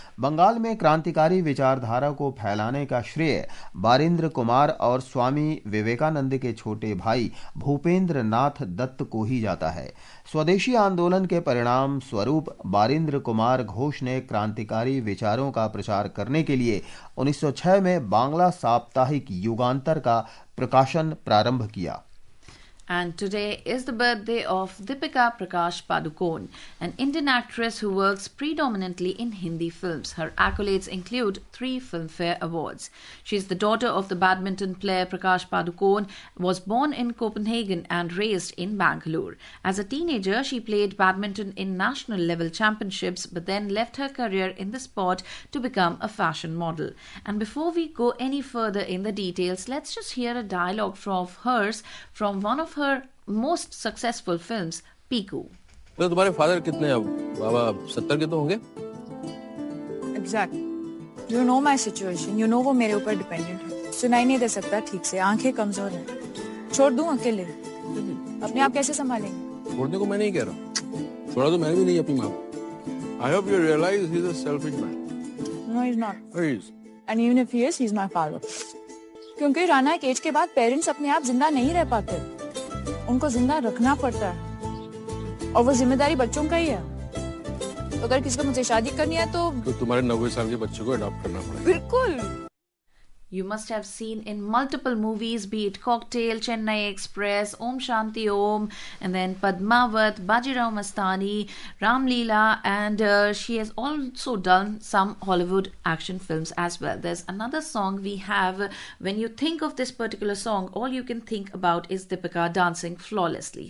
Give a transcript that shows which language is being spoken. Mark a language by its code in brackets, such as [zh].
[hi] बंगाल में क्रांतिकारी विचारधारा को फैलाने का श्रेय बारिंद्र कुमार और स्वामी विवेकानंद के छोटे भाई भूपेंद्र नाथ दत्त को ही जाता है। स्वदेशी आंदोलन के परिणाम स्वरूप बारिंद्र कुमार घोष ने क्रांतिकारी विचारों का प्रचार करने के लिए 1906 में बांग्ला साप्ताहिक युगांतर का प्रकाशन प्रारंभ किया। [en] And today is the birthday of Deepika Prakash Padukone, an Indian actress who works predominantly in Hindi films. Her accolades include 3 Filmfare Awards. She is the daughter of the badminton player Prakash Padukone, was born in Copenhagen and raised in Bangalore. As a teenager, she played badminton in national level championships but then left her career in the sport to become a fashion model. And before we go any further in the details, let's just hear a dialogue of hers from one of her most successful films, Piku. [hi] तो तुम्हारे father कितने हैं अब? बाबा 70 के तो होंगे? [en] Exactly. You know my situation. You know [hi] वो मेरे ऊपर [en] dependent है. [hi] सुनाई नहीं दे सकता ठीक से. आंखें कमजोर हैं. छोड़ दूँ अकेले? अपने आप कैसे संभालेंगे? छोड़ने को मैं नहीं कह रहा. छोड़ा तो मैं भी नहीं अपनी माँ. [en] I hope you realize he's a selfish man. No, he's not. He is. And even if he is, he's my father. [hi] क्योंकि राणा के एज के बाद पेरेंट्स अपने आप जिंदा नहीं रह पाते, उनको जिंदा रखना पड़ता है, और वो जिम्मेदारी बच्चों का ही है। तो अगर किसी को मुझे शादी करनी है तो तुम्हारे 90 साल के बच्चे को अडॉप्ट करना पड़ेगा। बिल्कुल। [en] You must have seen in multiple movies, be it Cocktail, Chennai Express, Om Shanti Om, and then Padmavat, Bajirao Mastani, Ram Leela, and she has also done some Hollywood action films as well. There's another song we have. When you think of this particular song, all you can think about is Deepika dancing flawlessly.